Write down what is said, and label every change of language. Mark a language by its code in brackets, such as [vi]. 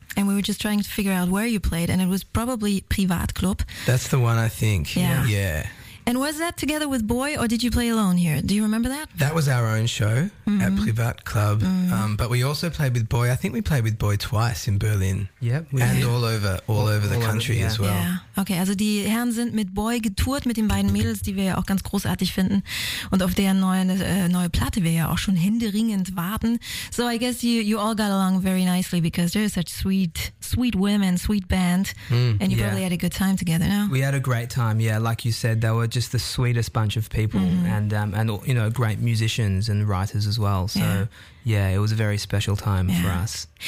[en] And we were just trying to figure out where you played, and it was probably Privatclub. That's the one, I think. Yeah. And was that together with Boy, or did you play alone here? Do you remember that? That was our own show at Privatclub. Mm-hmm. But we also played with Boy. I think we played with Boy twice in Berlin. Yep. All over the country as well. Yeah. [de] Okay, also die Herren sind mit Boy getourt, mit den beiden Mädels, die wir ja auch ganz großartig finden. Und auf deren neue Platte wir ja auch schon händeringend warten. [en] So I guess you all got along very nicely, because they're such sweet women, sweet band. And you probably had a good time together, no? We had a great time, yeah. Like you said, they were just the sweetest bunch of people and you know, great musicians and writers as well. So yeah, it was a very special time for us.